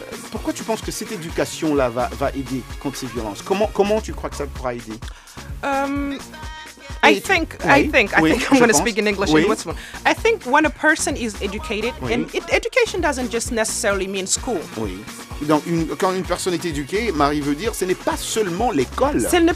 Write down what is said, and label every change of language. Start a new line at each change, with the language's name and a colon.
French: Pourquoi tu penses que cette éducation-là va aider contre ces violences? Comment tu crois que ça pourra aider?
English: I think when a person is educated, and education doesn't just necessarily mean school.
French: Oui. Donc, quand une personne est éduquée, Marie veut dire, ce n'est pas seulement l'école.